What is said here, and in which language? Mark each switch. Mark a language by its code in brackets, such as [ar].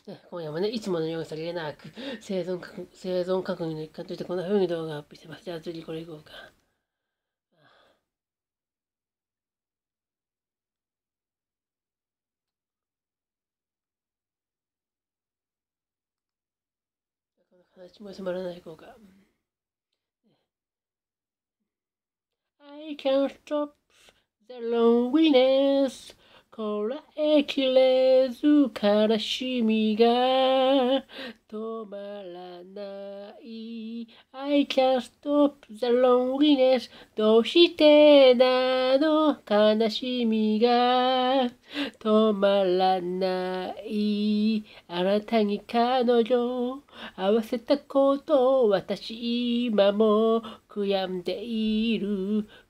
[ja] 今夜もね、いつものようにさりげなく生存確認の一環としてこんな風に動画アップしてます。じゃあ次これいこうか。この形も迫らないいこうか。 [en] I can't stop the loneliness [ja] こらえきれず悲しみが止まらない。 [en] I can't stop the loneliness。 [ja] どうしてなの、悲しみが止まらない。あなたに彼女を会わせたこと、私今も悔やんでいる。